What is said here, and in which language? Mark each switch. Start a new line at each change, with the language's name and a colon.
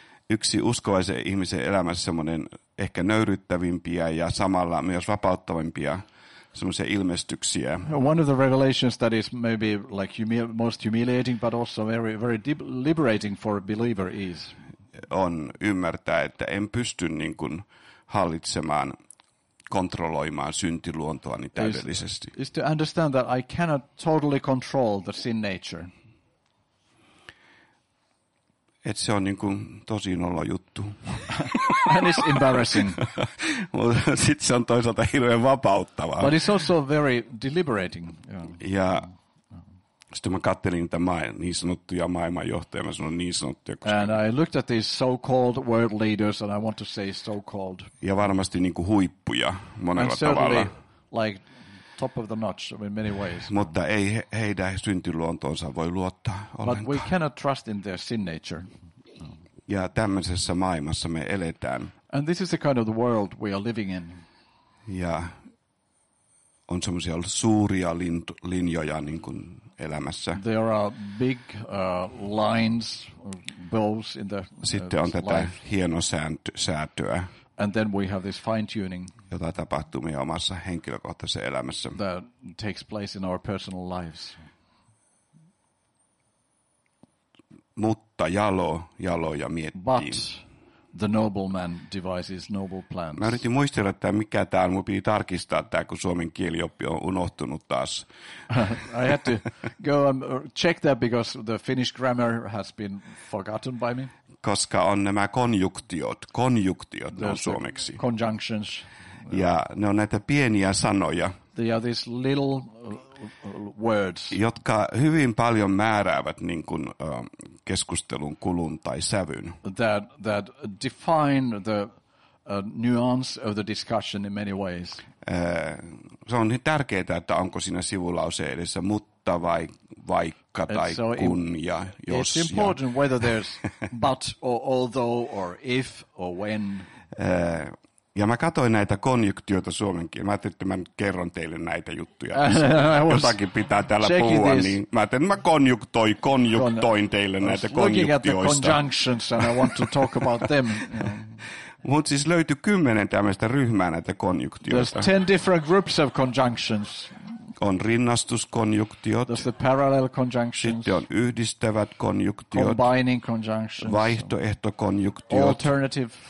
Finnish: Yksi uskovaisen ihmisen elämässä semmoinen ehkä nöyryttävimpiä ja samalla myös vapauttavimpia semmoisia ilmestyksiä.
English: One of the revelations that is maybe like most humiliating but also very very liberating for a believer is
Finnish: on ymmärtää, että en pysty niin kuin hallitsemaan kontrolloimaan syntiluontoani täydellisesti.
English: Is to understand that I cannot totally control the sin nature.
Finnish: Et se on niin kuin tosi nolo juttu.
English: And it's embarrassing.
Finnish: Mutta sitten se on toisaalta hirveän vapauttavaa.
English: But it's also very deliberating. Yeah.
Finnish: Ja sitten mä kattelin niitä niin sanottuja maailmanjohtajia, mä sanon niin sanottuja.
English: And I looked at these so-called world leaders and I want to say so-called.
Finnish: Ja varmasti niin kuin huippuja monella
English: and certainly
Finnish: tavalla.
English: Like top of the notch in many ways.
Finnish: Mutta ei heidän syntiluontoonsa voi luottaa ollenkaan.
English: But we cannot trust in their sin nature.
Finnish: Ja tämmöisessä maailmassa me eletään.
English: And this is the kind of the world we are living in.
Finnish: Ja on semmoisia suuria linjoja niin kuin elämässä.
English: There are big lines, bows in the life.
Finnish: Sitten on tätä hienosäätöä.
English: And then we have this fine tuning.
Finnish: Jota tapahtuu meidän omassa henkilökohtaisessa elämässä.
English: That takes place in our personal lives.
Finnish: Mutta jalo ja miettii.
English: But the nobleman devises noble plans.
Finnish: Mä yritin muistella, että mikä tämä on. Mun piti tarkistaa tämä, kun suomen kielioppi on unohtunut taas.
English: I had to go and check that because the Finnish grammar has been forgotten by me.
Finnish: Koska on nämä konjunktiot on suomeksi.
English: Conjunctions.
Finnish: Ja ne on näitä pieniä sanoja.
English: They are these little words.
Finnish: Jotka hyvin paljon määräävät niin kuin, keskustelun kulun tai sävyn.
English: That define the nuance of the discussion in many ways.
Finnish: Se on tärkeää, että onko siinä sivulause edessä mutta vai vaikka tai so kun ja jos.
English: It's important whether there's but or although or if or when.
Finnish: Ja mä katsoin näitä konjunktioita suomenkin. Mä ajattelin, että mä nyt kerron teille näitä juttuja. Jotakin pitää täällä puhua. Niin mä ajattelin, että mä konjunktoin teille näitä konjunktioista.
English: Looking at the conjunctions and I want to talk about them.
Finnish: Mut siis löytyi 10 tämmöistä ryhmää näitä konjunktioita.
English: There's 10 different groups of conjunctions.
Finnish: On rinnastuskonjunktiot.
English: There's the parallel conjunctions.
Finnish: Sitten on yhdistävät konjunktiot.
English: Combining conjunctions.
Finnish: Vaihtoehtokonjunktiot.
English: Alternative.